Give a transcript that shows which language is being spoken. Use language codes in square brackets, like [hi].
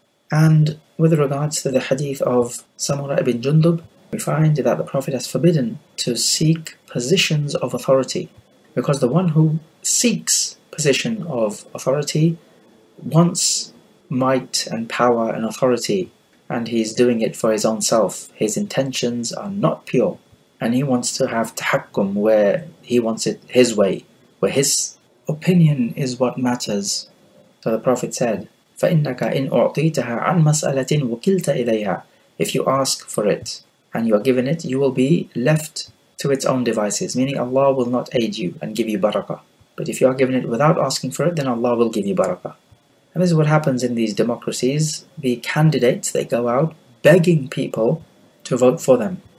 [en] And with regards to the hadith of Samurah ibn Jundub, we find that the Prophet has forbidden to seek positions of authority, because the one who seeks position of authority wants might and power and authority, and he's doing it for his own self. His intentions are not pure, and he wants to have tahakkum, where he wants it his way, where his opinion is what matters. So the Prophet said, [ar] فَإِنَّكَ إِنْ أُعْطِيتَهَا عَنْ مَسْأَلَةٍ وَكِلْتَ إِلَيْهَا. [en] If you ask for it and you are given it, you will be left to its own devices, meaning Allah will not aid you and give you barakah. But if you are given it without asking for it, then Allah will give you barakah. And this is what happens in these democracies. The candidates, they go out begging people to vote for them.